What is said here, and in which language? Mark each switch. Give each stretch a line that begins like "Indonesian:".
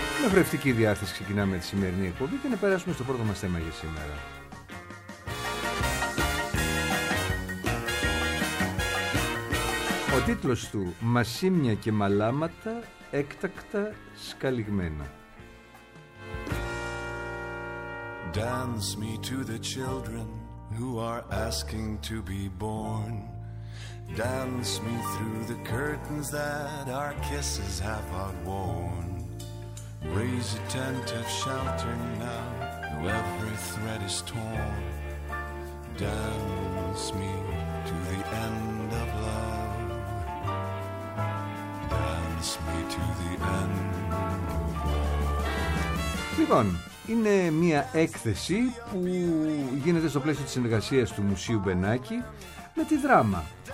Greek: Πρευτική διάθεση ξεκινάμε τη σημερινή εκπομπή και να περάσουμε στο πρώτο μας θέμα για σήμερα. Ο τίτλος του «Μασίμια και μαλάματα έκτακτα σκαλιγμένα».
English: Dance me to the children who are asking to be born. Dance me through the curtains that our kisses have outworn. Raise a tent of shelter now, though every thread is torn. Dance me to the end of love. Dance me to the end of love.
Greek: Λοιπόν, είναι μια έκθεση που γίνεται στο πλαίσιο της συνεργασίας του Μουσείου Μπενάκη με τη Δράμα.